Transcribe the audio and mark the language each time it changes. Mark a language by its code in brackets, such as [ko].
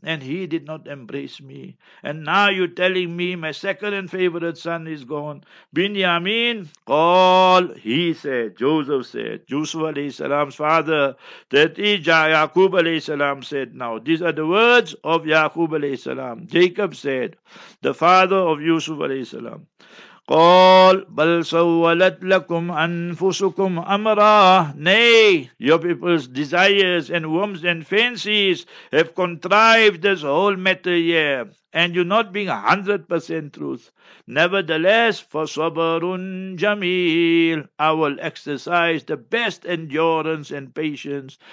[en] And he did not embrace me. And now you're telling me my second and favorite son is gone. Binyamin, all he said, Joseph said, Yusuf alayhi salam's father, that is Yaqub alayhi salam said. Now, these are the words of Yaqub alayhi salam. Jacob said, the father of Yusuf alayhi salam. [ar] قال بل سولت لكم أنفسكم أمرا. [en] Nay, your people's desires and whims and fancies have contrived this whole matter here, and you're not being 100% truth. Nevertheless, for sabarun jamil, I will exercise the best endurance and patience.